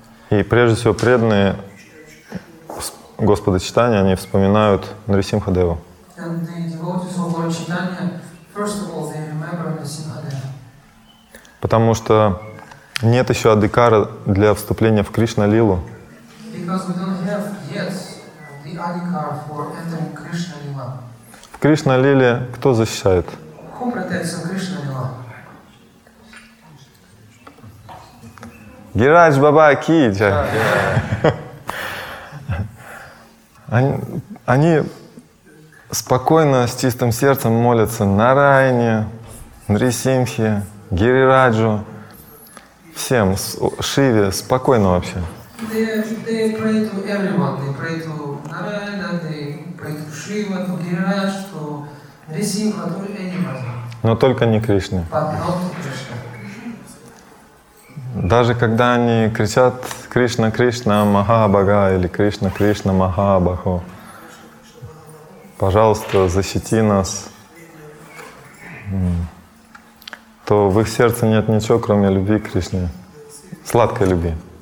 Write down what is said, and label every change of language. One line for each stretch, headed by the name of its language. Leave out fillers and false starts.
Russian: И прежде всего преданные Господа Чайтанья, они вспоминают Нарисимхадеву.
English: And the devotees of Lord Chaitanya, first of all, they remember Нарисимхадева.
Russian: Потому что нет еще адикара для вступления в Кришна-лилу.
English: Because we don't have yet the adhikara for entering Krishna-lila.
Russian: В Кришна-лиле кто защищает?
English: Who protects in Krishna-lila?
Hindi: Гирадж Баба Ки Джай.
Russian: Они спокойно, с чистым сердцем молятся Нараяне, Нрисимхе, Гирираджу, всем, Шиве, спокойно вообще.
English: They pray to everyone. They pray to Narayana, they pray to Shiva, to Girirajh, to Nrisimha, to anyone.
Russian: Но только не Кришне.
English: But not to Krishna.
Russian: Даже когда они кричат «Кришна, Кришна, Махабага» или «Кришна, Кришна, Махабаху», «Пожалуйста, защити нас», то в их сердце нет ничего, кроме любви к Кришне, сладкой любви.